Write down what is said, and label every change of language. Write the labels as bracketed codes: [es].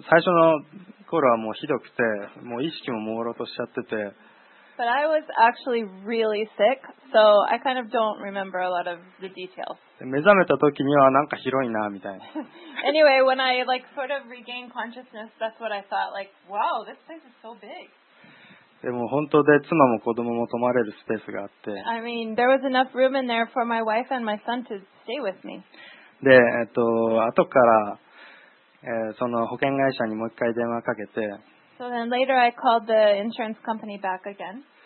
[ja] 最初の頃はもうひどくて、もう意識も朦朧としちゃってて。 [en] But I was actually really sick, so I kind of don't remember a lot of the details. [ja] 目覚めた時にはなんか広いなみたいな。 [en] Anyway, when I like sort of regained consciousness, that's what I thought. Like, wow, this place is so big. [ja] でも本当で妻も子供も泊まれるスペースがあって。 [en] I mean, there was enough room in there for my wife and my son to stay with me. [ja] で、後から、その保険会社にもう一回電話かけて。 [en] So then later I called the insurance company back again.